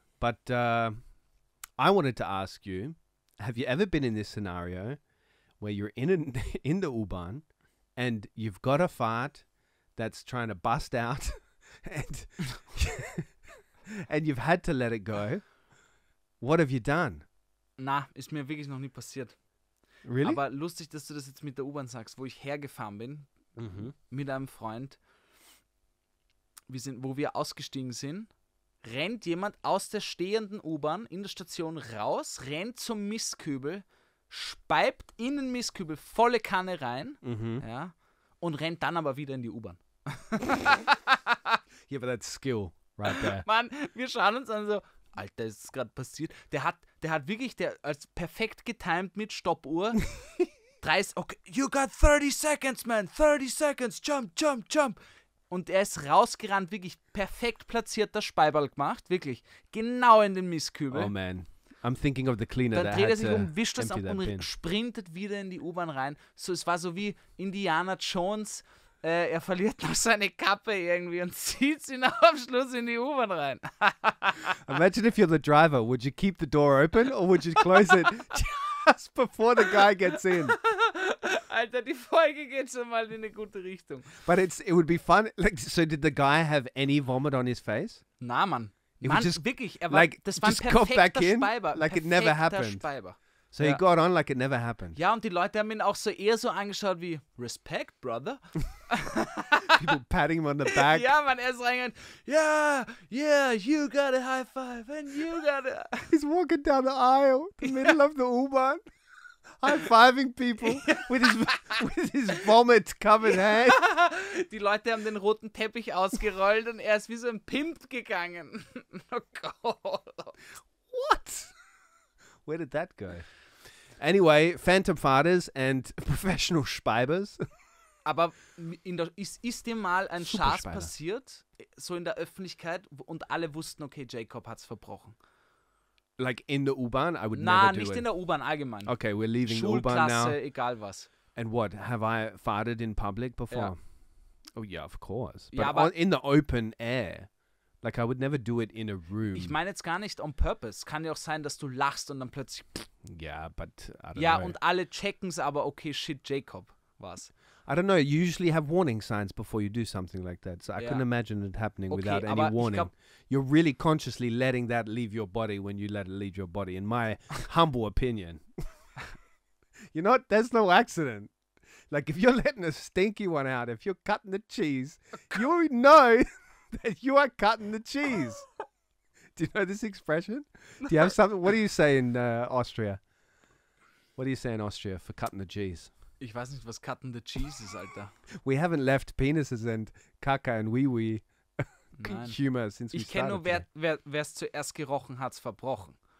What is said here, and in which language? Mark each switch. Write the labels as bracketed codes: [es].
[en] But I wanted to ask you, have you ever been in this scenario where you're in the U-Bahn and you've got a fart that's trying to bust out and and you've had to let it go? What have you done? [de] Na, ist mir wirklich noch nie passiert. [en] Really? [de] Aber lustig, dass du das jetzt mit der U-Bahn sagst, wo ich hergefahren bin, mit einem Freund, wo wir ausgestiegen sind, rennt jemand aus der stehenden U-Bahn in der Station raus, rennt zum Mistkübel, speibt in den Mistkübel volle Kanne rein, mhm, ja, und rennt dann aber wieder in die U-Bahn. [en] Yeah, but that's skill right there. [de] Mann, wir schauen uns an so, Alter, ist gerade passiert. Der hat wirklich, der als perfekt getimed mit Stoppuhr. [en] 30, okay, you got 30 seconds, man, 30 seconds, jump, jump, jump. [de] Und er ist rausgerannt, wirklich perfekt platzierter Speiball gemacht, wirklich, genau in den Mistkübel. [en] Oh man, I'm thinking of the cleaner. [de] Dann dreht er sich um, wischt das ab und sprintet wieder in die U-Bahn rein. So, es war so wie Indiana Jones, er verliert noch seine Kappe irgendwie und zieht sie noch am Schluss in die U-Bahn rein. [en] Imagine if you're the driver, would you keep the door open or would you close it just before the guy gets in? [de] Alter, die Folge geht schon mal in eine gute Richtung. [en] But it would be fun. Like, so did the guy have any vomit on his face? [de] Na, Mann. Mann, just, wirklich. Er war, like, das war ein perfekter Speiber. [en] Like it never happened. [de] Speiber. [en] So ja. He got on like it never happened. [de] Ja, und die Leute haben ihn auch so eher so angeschaut wie, [en] respect, brother. People patting him on the back. [de] Ja, Mann, er ist reingegangen. [en] Yeah, yeah, you got a high five and you got a... He's walking down the aisle, the middle of the U-Bahn. High-fiving people with his vomit-covered hand. [de] Die Leute haben den roten Teppich ausgerollt und er ist wie so ein Pimp gegangen. Oh Gott. [en] What? Where did that go? Anyway, Phantom Fathers and Professional Speibers. [de] Aber ist dir mal ein Schaß passiert, so in der Öffentlichkeit, und alle wussten, okay, Jacob hat's verbrochen? [en] Like in the U-Bahn, I would never [de] Nah, nicht in der U-Bahn allgemein. [en] Okay, we're leaving the U-Bahn now. [de] Schulklasse, egal was. [en] And what, have I farted in public before? Yeah. Oh yeah, of course. But yeah, in the open air. Like I would never do it in a room. [de] Ich meine jetzt gar nicht [en] on purpose. [de] Kann ja auch sein, dass du lachst und dann plötzlich... [en] Yeah, but I don't know. [de] Ja, und alle checken's aber, okay, shit, Jacob, was? [en] I don't know, you usually have warning signs before you do something like that. So I couldn't imagine it happening without any warning. You're really consciously letting that leave your body when you let it leave your body, in my humble opinion. You're not, there's no accident. Like, if you're letting a stinky one out, if you're cutting the cheese, you know that you are cutting the cheese. Do you know this expression? Do you have something? What do you say in Austria? What do you say in Austria for cutting the cheese? [de] Ich weiß nicht, was [en] cutting the cheese [de] ist, Alter. [en] We haven't left penises and kaka and wee-wee. Humor since [de] ich kenne nur, wer es zuerst gerochen hat, verbrochen.